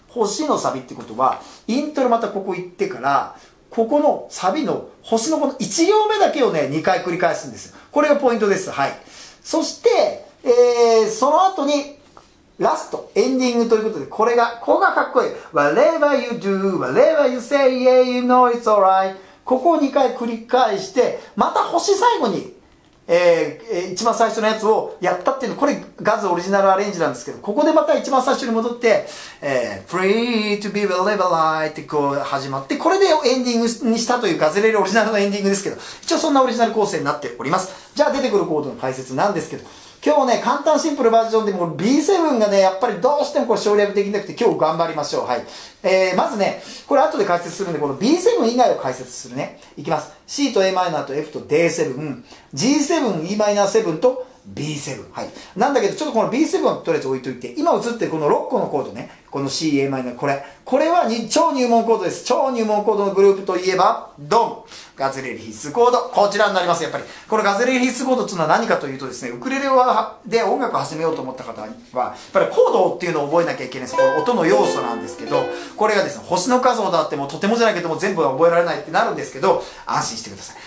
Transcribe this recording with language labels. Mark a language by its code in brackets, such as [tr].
[ja] 星のサビってことは、イントロまたここ行ってから、ここのサビの星のこの1行目だけをね、2回繰り返すんです。これがポイントです。はい。そして、その後に、ラスト、エンディングということで、これが、ここがかっこいい。 [en] Whatever you do, whatever you say, yeah, you know it's alright. [ja] ここを2回繰り返して、また星最後に一番最初のやつをやったっていうの、これガズオリジナルアレンジなんですけど、ここでまた一番最初に戻って、 [en] Free to be believed [ja] ってこう始まって、これでエンディングにしたというガズレレオリジナルのエンディングですけど、一応そんなオリジナル構成になっております。じゃあ出てくるコードの解説なんですけど、今日ね簡単シンプルバージョンでもう B7 がねやっぱりどうしてもこう省略できなくて、今日頑張りましょう。はい、まずねこれ後で解説するんで、この B7 以外を解説するね。いきます。 C と A マイナーと F と D7、 G7、 E マイナー7と B7。はい、なんだけどちょっとこの B7 はとりあえず置いといて、今映ってるこの6個のコードね、この C、A マイナー、これは超入門コードです。超入門コードのグループといえばドン、ガズレレ必須コード、こちらになります。やっぱりこのガズレレ必須コードというのは何かというとですね、ウクレレはで音楽を始めようと思った方はやっぱりコードっていうのを覚えなきゃいけないです。この音の要素なんですけど、これがですね星の数ほどあってもとてもじゃないけども全部は覚えられないってなるんですけど、安心してください。